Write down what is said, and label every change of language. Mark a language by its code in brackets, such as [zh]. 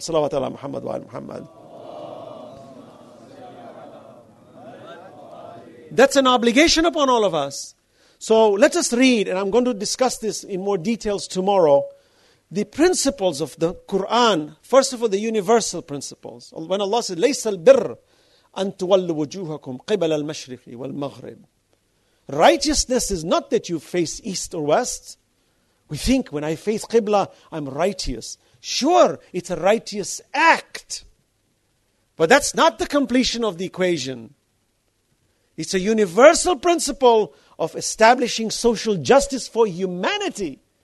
[ar] Salawat ala Muhammad wa ala Muhammad. [en] That's an obligation upon all of us. So let us read, and I'm going to discuss this in more details tomorrow, the principles of the Quran. First of all, the universal principles. When Allah said, [ar] لَيْسَ الْبِرُّ أَن تُوَلُّ وُجُوهَكُمْ قِبَلَ الْمَشْرِقِ وَالْمَغْرِبِ. [en] Righteousness is not that you face east or west. We think when I face Qibla, I'm righteous. Sure, it's a righteous act. But that's not the completion of the equation. It's a universal principle of establishing social justice for humanity.